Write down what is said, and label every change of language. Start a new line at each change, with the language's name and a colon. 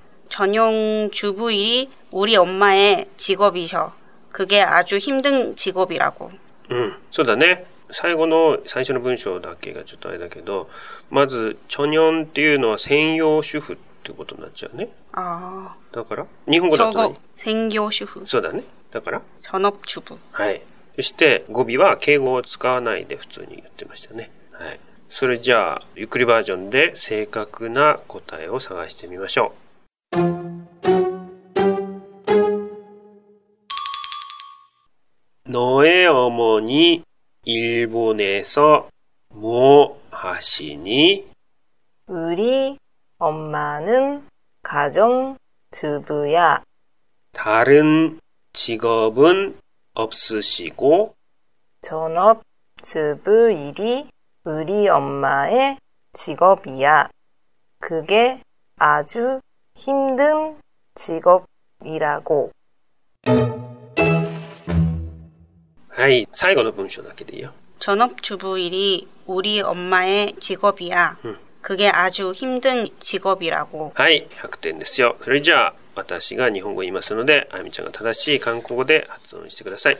Korean: 전용 주부일이 우리 엄마의 직업이셔. 그게 아주 힘든 직업이라고.
Japanese: そうだね。最後の最初の文章だけがちょっとあれだけど、まず著人っていうのは専業主婦ってことになっちゃうね。ああ。だから日本語だと専業主婦。そうだね。だから
Korean: 전업주부。
Japanese: はい。そして語尾は敬語を使わないで普通に言ってましたね。はい。それじゃあゆっくりバージョンで正確な答えを探してみましょう。
Korean: 너의어머니일본에서뭐하시니 우리엄마는가정주부야 다른직업은없으시고 전업주부일이우리엄마의직업이야그게아주힘든직업이라고
Japanese: はい、最後の文章だけでいいよ。
Korean: 전업주부일이우리엄마의직업이야。 그게아주힘든직업이라고。
Japanese: はい、100点ですよ。それじゃあ、私が日本語言いますので、あゆみちゃんが正しい韓国語で発音してください。